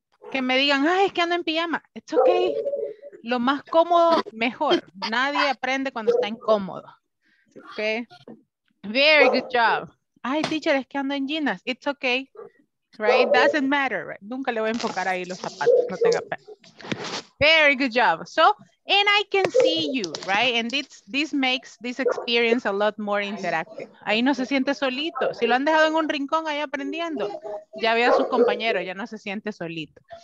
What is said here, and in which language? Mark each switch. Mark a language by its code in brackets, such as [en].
[es] Que me digan, ay, es que ando en pijama. [en] It's okay. [es] Lo más cómodo, mejor. Nadie aprende cuando está incómodo. Okay. [en] Very good job. Ay, teacher, [es] es que ando en jeans. [en] It's okay. Right? Doesn't matter. Right? [es] Nunca le voy a enfocar ahí los zapatos. No tenga pena. [en] Very good job. So, and I can see you, right? And this makes this experience a lot more interactive. [es] Ahí no se siente solito. Si lo han dejado en un rincón ahí aprendiendo, ya ve a sus compañeros, ya no se siente solito.